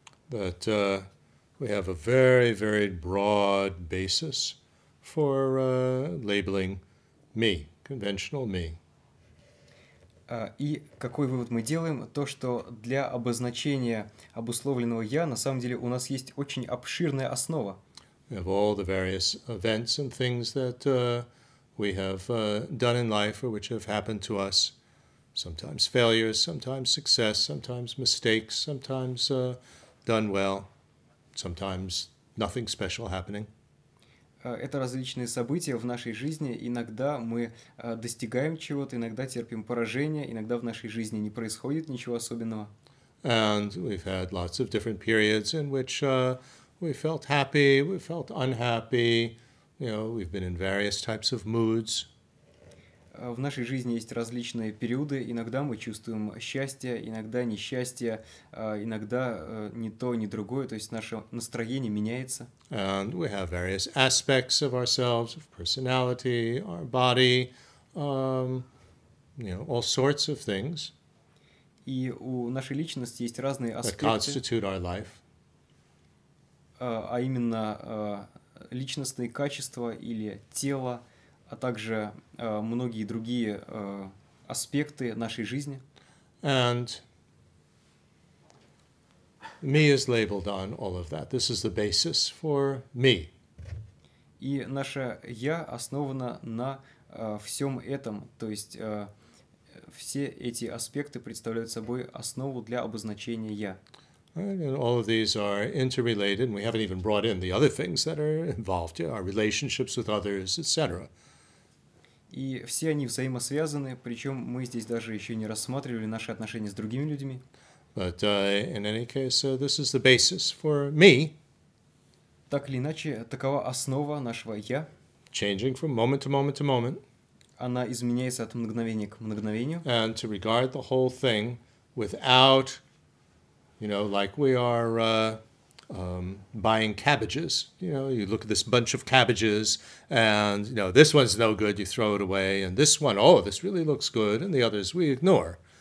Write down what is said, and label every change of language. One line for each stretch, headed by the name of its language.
English: But we have a very, very broad basis for labeling me, conventional me.
Russian: И какой вывод мы делаем? То, что для обозначения обусловленного «я» на самом деле у нас есть очень обширная основа.
English: We have all the various events and things that we have done in life or which have happened to us. Sometimes failures, sometimes success, sometimes mistakes, sometimes done well, sometimes nothing special happening.
Russian: это различные события в нашей жизни. Иногда мы достигаем чего-то, иногда терпим поражение, иногда в нашей жизни не происходит ничего особенного.
English: And we've had lots of different periods in which we felt happy, we felt unhappy. You know, we've been in various types of moods.
Russian: В нашей жизни есть различные периоды. Иногда мы чувствуем счастье, иногда несчастье, иногда ни то, ни другое. То есть наше настроение меняется.
English: And we have various aspects of ourselves, of personality, our body, you know, all sorts of things.
Russian: И у нашей личности есть разные аспекты.
English: That constitute our life.
Russian: А именно личностные качества или тело, а также многие другие аспекты нашей жизни.
English: And me is labeled on all of that. This is the basis for me.
Russian: И наше «я» основано на всем этом, то есть все эти аспекты представляют собой основу для обозначения «я».
English: And all of these are interrelated, and we haven't even brought in the other things that are involved, yeah, our relationships with others, etc.
Russian: И все они взаимосвязаны, причем мы здесь даже еще не рассматривали наши отношения с другими людьми.
English: But in any case, this is the basis for me.
Russian: Так или иначе, такова основа нашего «я».
English: Changing from moment to moment to moment.
Russian: Она изменяется от мгновения к мгновению.
English: And to regard the whole thing without, you know, like we are buying cabbages. You know, you look at this bunch of cabbages, and, you know, this one's no good, you throw it away, and this one, oh, this really looks good, and the others we ignore.